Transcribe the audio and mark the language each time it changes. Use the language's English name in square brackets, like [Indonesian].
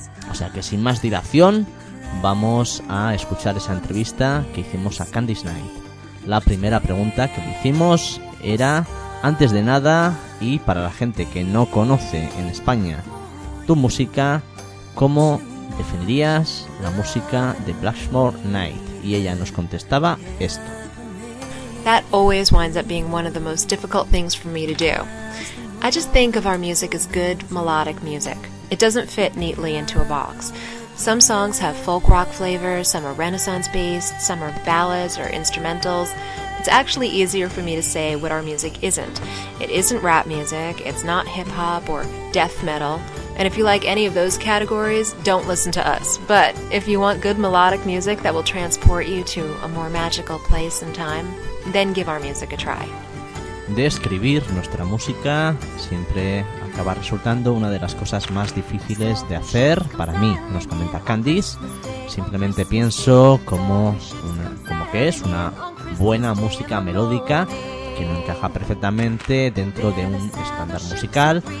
[Spanish] O sea que sin más dilación, vamos a escuchar esa entrevista que hicimos a Candice Knight. La primera pregunta que le hicimos era, antes de nada, y para la gente que no conoce en España tu música, ¿cómo definirías la música de Blackmore's Night? Y ella nos contestaba esto. [English] That always winds up being one of the most difficult things for me to do. I just think of our music as good melodic music. It doesn't fit neatly into a box. Some songs have folk rock flavor, some are renaissance based, some are ballads or instrumentals. It's actually easier for me to say what our music isn't. It isn't rap music, it's not hip-hop or death metal. And if you like any of those categories, don't listen to us. But if you want good melodic music that will transport you to a more magical place and time, then give our music a try. [Spanish] Describir nuestra música siempre acaba resultando una de las cosas más difíciles de hacer para mí, nos comenta Candice. Simplemente pienso como que es una buena música melódica que no encaja perfectamente dentro de un estándar musical.